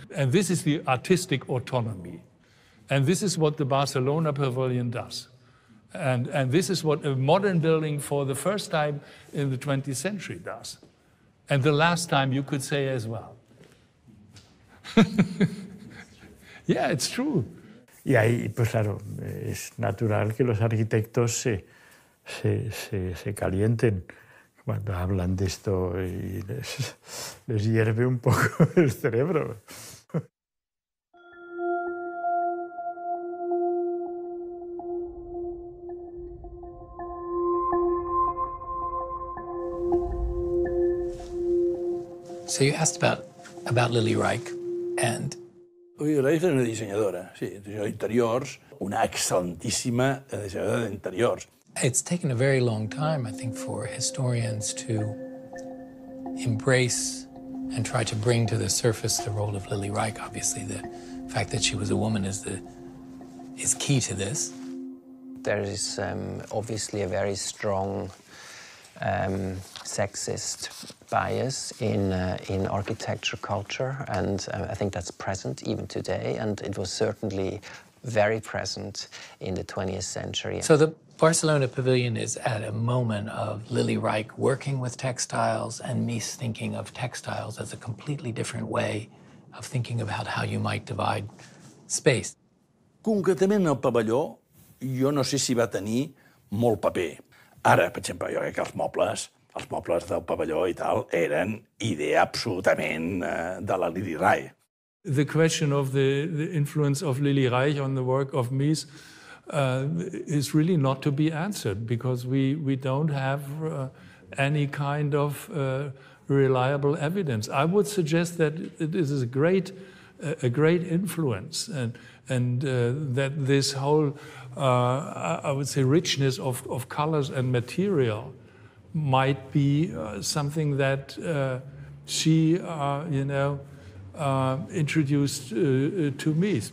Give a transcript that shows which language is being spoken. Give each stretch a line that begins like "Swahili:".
English: And this is the artistic autonomy. And this is what the Barcelona Pavilion does. And this is what a modern building for the first time in the 20th century does. And the last time, you could say as well. Yeah, it's true.
Spanish: Y ahí, pues claro, es natural que los arquitectos se calienten cuando hablan de esto y les hierve un poco el cerebro.
English: So you asked about Lili Reich, and
Catalan: Lili Reich és una dissenyadora, sí, dissenyadora d'interiors, una excel·lentíssima dissenyadora d'interiors.
English: It's taken a very long time, I think, for historians to embrace and try to bring to the surface the role of Lili Reich. Obviously, the fact that she was a woman is key to this. There is obviously a very strong sexist bias in architecture culture, and I think that's present even today, and it was certainly very present in the 20th century. So the Barcelona Pavilion is at a moment of Lili Reich working with textiles and Mies thinking of textiles as a completely different way of thinking about how you might divide space.
Catalan: Concretament, el pavelló, jo no sé si va tenir molt paper. Ara, per exemple, jo crec que els mobles del pavelló i tal eren idea absolutament de la Lili Reich.
English: The question of the influence of Lili Reich on the work of Mies is really not to be answered, because we don't have any kind of reliable evidence. I would suggest that it is a great influence, and that this whole I would say richness of colors and material might be something that she introduced to Mies.